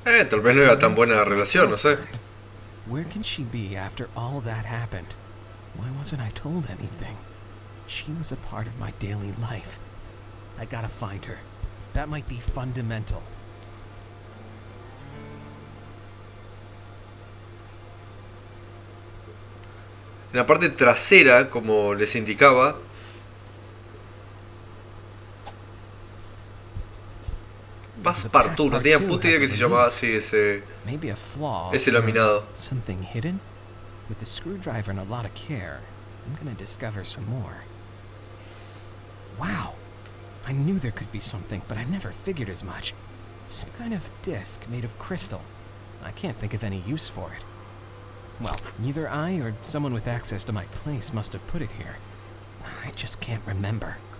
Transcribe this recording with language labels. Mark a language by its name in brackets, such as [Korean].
[Spanish] Tal vez no era tan buena la relación, no sé. [English] Where can she be after all that happened? Why wasn't I told anything? She was a part of my daily life. I gotta find her. That might be fundamental. [Spanish] En la parte trasera, como les indicaba, Passepartout, no tenía puta idea que se llamaba así ese laminado. [English] Something hidden? With a screwdriver and a lot of care, I'm gonna discover some more. Wow. I knew there could be something, but I never figured as much. Some kind of disc made of crystal. I can't think of any use for it. Well, neither I or someone with access to my place must have put it here. I just can't remember.